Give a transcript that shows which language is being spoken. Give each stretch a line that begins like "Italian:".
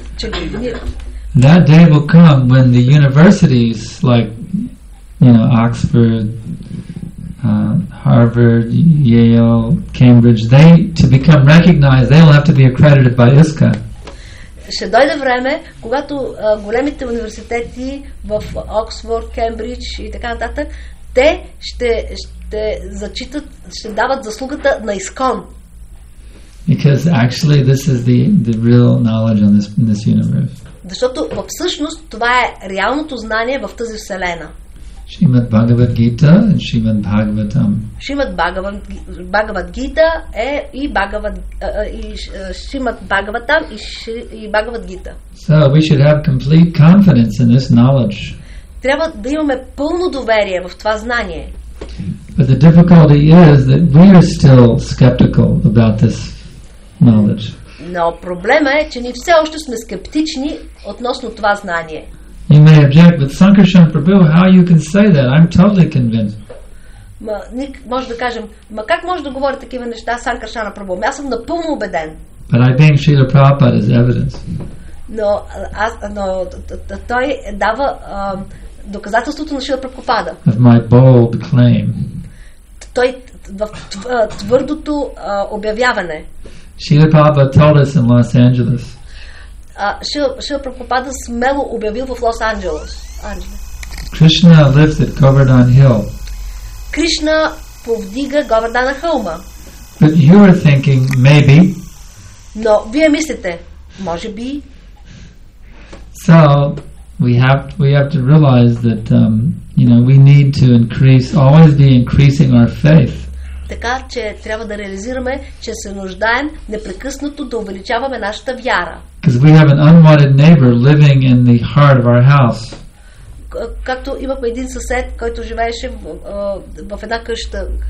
English: That day will come when the universities like, you know, Oxford, Harvard, Yale, Cambridge, they to become recognized, they'll have to be accredited by ISKCON.
Bulgarian: Ще дойде време, когато големите университети в Оксфорд, Кембридж и така нататък, те ще зачитат, ще дават заслугата на ИСКОН.
English: Because actually this is the real knowledge on this universe.
Bulgarian: Защото всъщност това е реалното знание в тази вселена. Шримад Бхагават Гита и Шримад Бхагаватам. Шримад Бхагават Гита е и Бхагават и Шримад Бхагаватам и Бхагават Гита.
English: So we should have complete confidence in this knowledge.
Bulgarian: Трябва да имаме пълно доверие в това знание.
English: But the difficulty is that we are still skeptical about this knowledge.
Bulgarian: Но проблема е, че ние все още сме скептични относно това знание.
English: You may object, but Sankarshan Prabhu, how you can say that? I'm totally convinced.
Bulgarian: Може да кажем, ма как може да говори такива неща Санкаршана Прабху? Аз съм напълно убеден.
English: But I think Srila Prabhupada is evidence.
Bulgarian: Но той дава доказателството на Шрила Прабхупада.
English: Of my bold claim.
Bulgarian: Той в твърдото обявяване.
English: Srila Prabhupada told us in Los Angeles.
Bulgarian: Шрила Прабхупада смело обявил в Лос Анджелес.
English: Krishna lifted Govardhan Hill.
Bulgarian: Кришна повдига Говардана хълма.
English: But you are thinking maybe.
Bulgarian: Но вие мислите, може би.
English: So we have to realize that you know, we need to increase, always be increasing our faith.
Bulgarian: Така че трябва да реализираме, че се нуждаем непрекъснато да увеличаваме нашата вяра.
English: Because we have an unwanted neighbor living in the heart of our house.
Bulgarian: Както имахме един съсед, който живееше в една къща.